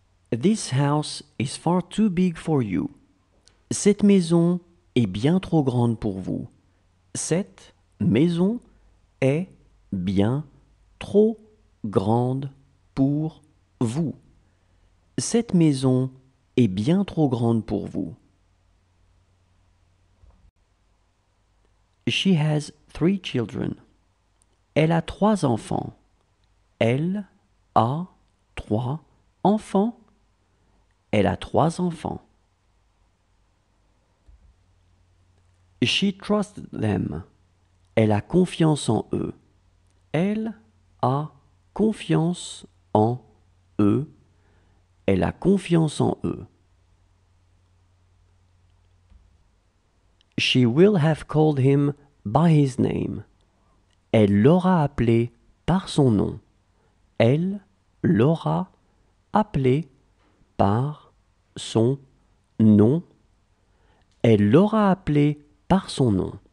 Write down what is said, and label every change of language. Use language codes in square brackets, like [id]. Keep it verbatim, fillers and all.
[en] This house is far too big for you. [fr] Cette maison est bien trop grande pour vous. Cette maison est bien trop grande pour vous. Cette maison est bien trop grande pour vous. [en] She has three children. [fr] Elle a trois enfants. Elle a trois enfants. Elle a trois enfants. [en] She trusts them. [fr] Elle a confiance en eux. Elle a confiance en eux. Elle a confiance en eux. [en] She will have called him by his name. [fr] Elle l'aura appelé par son nom. Elle l'aura appelé par son nom. Elle l'aura appelé par son nom.